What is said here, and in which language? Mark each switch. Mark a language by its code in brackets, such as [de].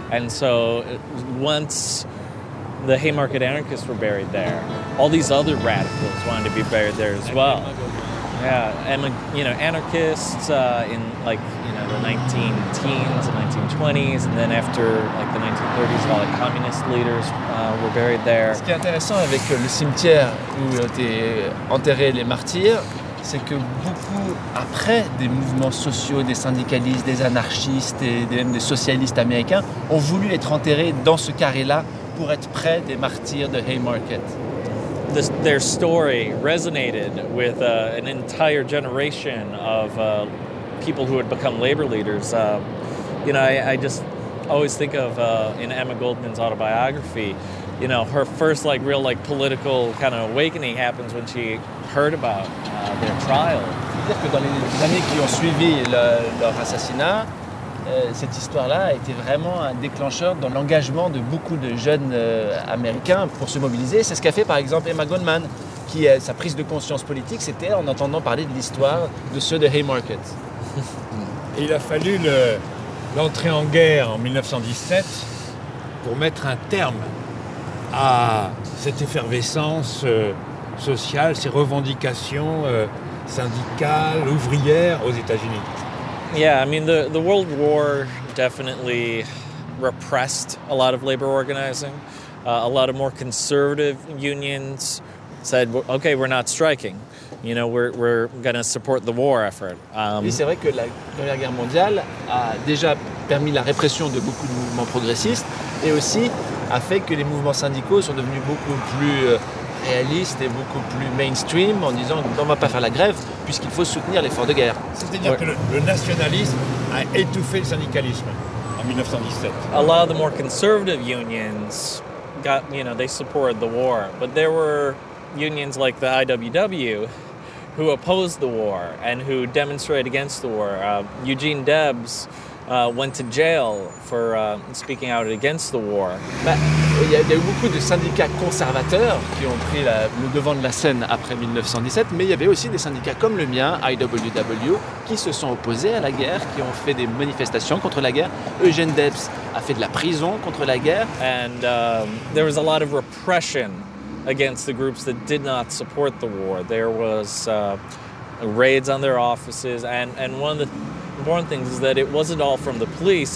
[en] And so once the Haymarket anarchists were buried there, all these other radicals wanted to be buried there as well. Yeah, and you know, anarchists in like, you know, the 19-teens and 1920s, and then after like the 1930s, all the communist leaders were buried there. [fr] Ce qui est intéressant avec le cimetière où étaient enterrés les martyrs, c'est que beaucoup après des mouvements sociaux, des syndicalistes, des anarchistes et même des socialistes américains ont voulu être enterrés dans ce carré-là pour être près des martyrs de Haymarket. [en] Their story resonated with an entire generation of people who had become labor leaders. You know, I just always think of in Emma Goldman's autobiography, you know, her first like real like political kind of awakening happens when she heard about their trial. [fr] C'est-à-dire que dans les années qui ont suivi leur assassinat, cette histoire-là a été vraiment un déclencheur dans l'engagement de beaucoup de jeunes américains pour se mobiliser. C'est ce qu'a fait par exemple Emma Goldman, qui sa prise de conscience politique, c'était en entendant parler de l'histoire de ceux de Haymarket. Et il a fallu l'entrée en guerre en 1917 pour mettre un terme à cette effervescence sociale, ces revendications syndicales, ouvrières aux États-Unis. [en] Yeah, I mean, the World War definitely repressed a lot of labor organizing. A lot of more conservative unions said, okay, we're not striking. You know, we're going to support the war effort. [fr] Et c'est vrai que la Première Guerre mondiale a déjà permis la répression de beaucoup de mouvements progressistes et aussi a fait que les mouvements syndicaux sont devenus beaucoup plus réaliste et beaucoup plus mainstream en disant on ne va pas faire la grève puisqu'il faut soutenir l'effort de guerre. C'est-à-dire que le nationalisme a étouffé le syndicalisme en 1917. [en] A lot of the more conservative unions got, you know, they supported the war, but there were unions like the IWW who opposed the war and who demonstrated against the war. Eugene Debs went to jail for speaking out against the war. [fr] Il y a eu beaucoup de syndicats conservateurs qui ont pris le devant de la scène après 1917, mais il y avait aussi des syndicats comme le mien, IWW, qui se sont opposés à la guerre, qui ont fait des manifestations contre la guerre. Eugene Debs a fait de la prison contre la guerre. [en] And there was a lot of repression against the groups that did not support the war. There was raids on their offices, and one of the important things is that it wasn't all from the police.